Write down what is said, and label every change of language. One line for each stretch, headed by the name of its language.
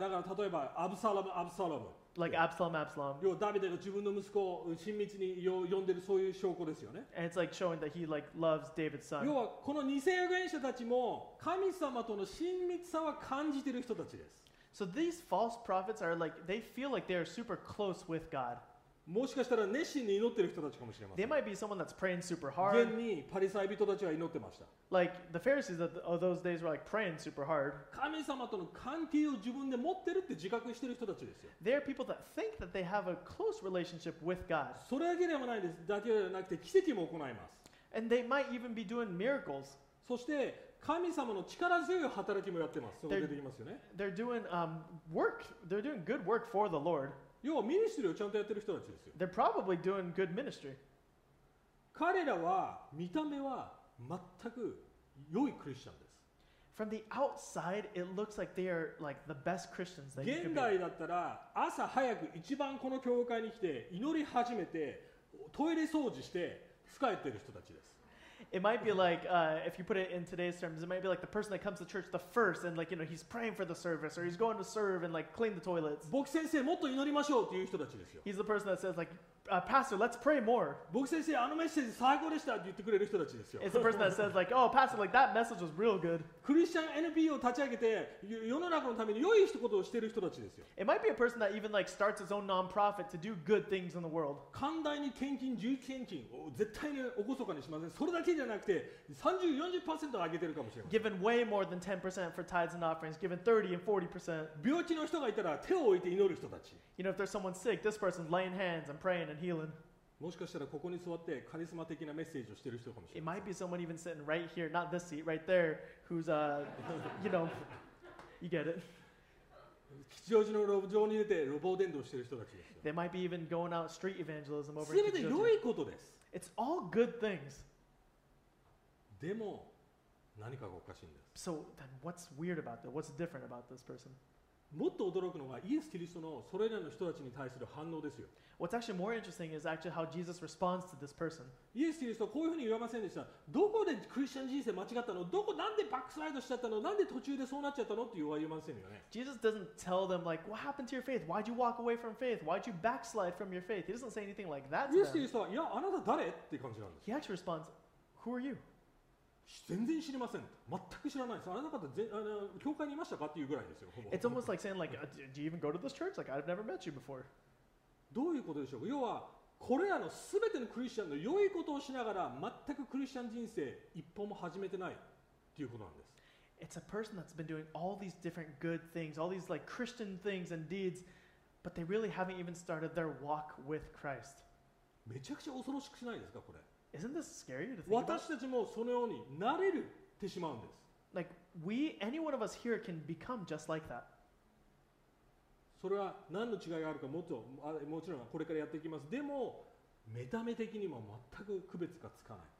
Japanese: だから例えば、アブサラム、アブサラム。
English: Like Absalom, Absalom.
Japanese: 要はダビデが自分の息子を親密に呼んでるそういう証拠ですよね。
English: And it's like showing that he like loves David's son.
Japanese: 要はこの偽預言者たちも神様との親密さは感じてる人たちです。
English: So these false prophets are like, they feel like they are super close with God.
Japanese: もしかしたら熱心に祈ってる人たちかもしれません。
English: They might be someone that's praying super hard.
Japanese: 現にパリサイ人たちは祈ってました。
English: Like the Pharisees of those days were like praying super hard.
Japanese: 神様との関係を自分で持ってるって自覚してる人たちですよ。
English: They are people that think that they have a close relationship with God.
Japanese: それだけではないです。だけではなくて奇跡も行います。
English: And they might even be doing miracles.
Japanese: そして神様の力強い働きもやってます。そこ出てきますよね。
English: They're doing work. They're doing good work for the Lord.
Japanese: 要はミニストリーをちゃんとやってる人たちですよ。
English: They're probably doing good ministry.
Japanese: 彼らは見た目は全く良いクリスチャンです。
English: From the outside, it looks like they are like the best Christians that you could be.
Japanese: 現代だったら朝早く一番この教会に来て祈り始めてトイレ掃除して使えてる人たちです。
English: It might be like, if you put it in today's terms, it might be like the person that comes to church the first and like, you know, he's praying for the service or he's going to serve and like clean the toilets.
Japanese: 牧先生、もっと祈りましょうっていう人たちですよ。
English: He's the person that says like, Pastor, let's pray more.
Japanese: 牧先生、あのメッセージ最高でしたって言ってくれる人たちですよ。
English: It's the person that says like, oh, Pastor, like that message was real good.
Japanese: クリスチャン NPO を立ち上げて世の中のために良いことをしている人たちですよ。
English: It might be a person that even like starts his own non-profit to do good things in the world.
Japanese: 寛大に献金、重献金を絶対におこそかにしません。それだけじゃなくて 30-40% 上げてるかもしれません。
English: Given way more than 10% for tithes and offerings, given 30-40%.
Japanese: 病気の人がいたら手を置いて祈る人たち。
English: You know, if there's someone sick, this person's laying hands and praying and healing.
Japanese: もしかしたらここに座ってカリスマ的なメッセージをしてる人かもしれません。
English: It might be someone even sitting right here, not this seat, right there, who's, you know, you get it.
Japanese: 吉祥寺の路上に出て路傍伝道してる人たちですよ。
English: They might be even going out street evangelism over here.
Japanese: 全て良いことです。
English: It's all good things.
Japanese: でも何かがおかしいんです。
English: So then, what's weird about that? What's different about this person?
Japanese: もっと驚くのはイエス・キリストのそれらの人たちに対する反応ですよ。
English: What's actually more interesting is actually how Jesus responds to this person.
Japanese: イエス・キリストはこういうふうに言わませんでした。どこでクリスチャン人生間違ったの？どこなんでバックスライドしちゃったの？なんで途中でそうなっちゃったの？って言わませんよね。
English: Jesus doesn't tell them like, what happened to your faith? Why'd you walk away from faith? Why'd you backslide from your faith? He doesn't say anything like that.
Japanese: イエス・キリストはいやあなた誰？って感じなんです。
English: He actually responds, who are you?
Japanese: 全然知りません。全く知らないです。あなた方全、教会にいましたかっていうぐらいですよ。ほぼ。
English: It's almost like saying like, do you even go to this church? Like, I've never met you before.
Japanese: どういうことでしょうか。要は、これらのすべてのクリスチャンの良いことをしながら、全くクリスチャン人生一歩も始めてないっていうことなんです。
English: It's a person that's been doing all these different good things, all these like Christian things and deeds, but they really haven't even started their walk with Christ.
Japanese: めちゃくちゃ恐ろしくないですか、これ。
English: Isn't this scary to think about?
Japanese: 私たちもそのようになれるってしまうんです。
English: Like, we, any one of us here can become just like that.
Japanese: それは何の違いがあるかもっと、もちろんこれからやっていきます。でも、見た目的にも全く区別がつかない。